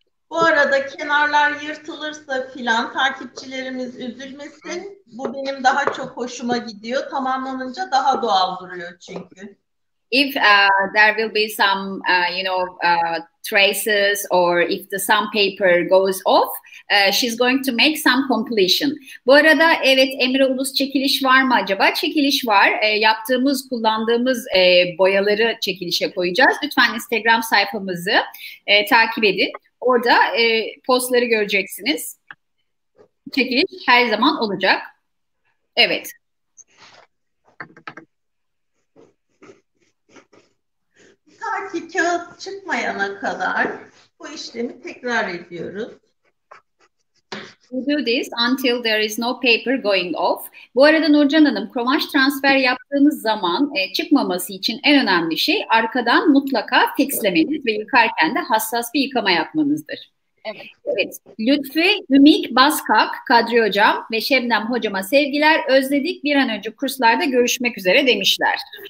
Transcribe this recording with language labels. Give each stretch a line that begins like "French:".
Turkish: Bu arada kenarlar yırtılırsa filan takipçilerimiz üzülmesin. Bu benim daha çok hoşuma gidiyor. Tamamlanınca daha doğal duruyor çünkü.
English: If there will be some, you know, traces or if the sandpaper goes off, she's going to make some completion.
Turkish: Bu arada evet Emre Ulus çekiliş var mı acaba? Çekiliş var. Yaptığımız, kullandığımız boyaları çekilişe koyacağız. Lütfen Instagram sayfamızı takip edin. Orada postları göreceksiniz. Çekiliş her zaman olacak. Evet. Ta ki kağıt çıkmayana kadar bu işlemi tekrar ediyoruz.
English: We do this until there is no paper going off.
Turkish: Bu arada Nurcan Hanım, kromaş transfer yaptığınız zaman çıkmaması için en önemli şey arkadan mutlaka fixlemeniz ve yıkarken de hassas bir yıkama yapmanızdır. Evet. Evet. Lütfi Ümik Baskak, Kadri Hocam ve Şebnem Hocama sevgiler, özledik, bir an önce kurslarda görüşmek üzere demişler.